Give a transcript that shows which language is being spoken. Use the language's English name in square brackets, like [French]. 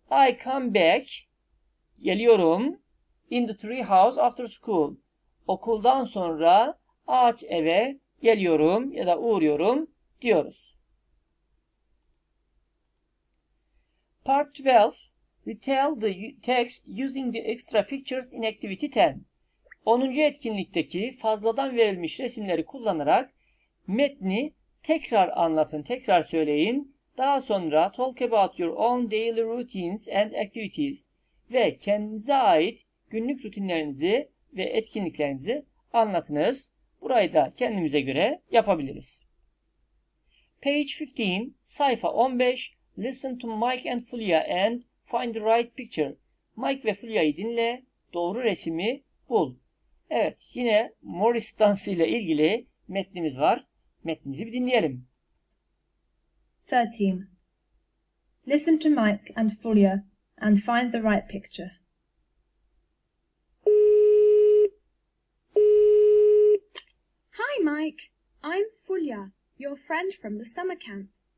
[English] I come back, geliyorum, in the tree house after school. [Turkish] Okuldan sonra ağaç eve geliyorum ya da uğruyorum diyoruz. [English] Part 12. We tell the text using the extra pictures in activity 10. 10. [Turkish] etkinlikteki fazladan verilmiş resimleri kullanarak metni tekrar anlatın, tekrar söyleyin. Daha sonra [English] talk about your own daily routines and activities [Turkish] ve kendinize ait günlük rutinlerinizi ve etkinliklerinizi anlatınız. Burayı da kendimize göre yapabiliriz. [English] Page 15, [Turkish] sayfa 15. [English] Listen to Mike and Fulya and find the right picture. [Turkish] Mike ve Fulya'yı dinle, doğru resmi bul. Evet, yine Morris dansı ile ilgili metnimiz var. Metnimizi bir dinleyelim. 13. [English] Listen to Mike and Fulya and find the right picture. Hi Mike, I'm Fulya, your friend from the summer camp.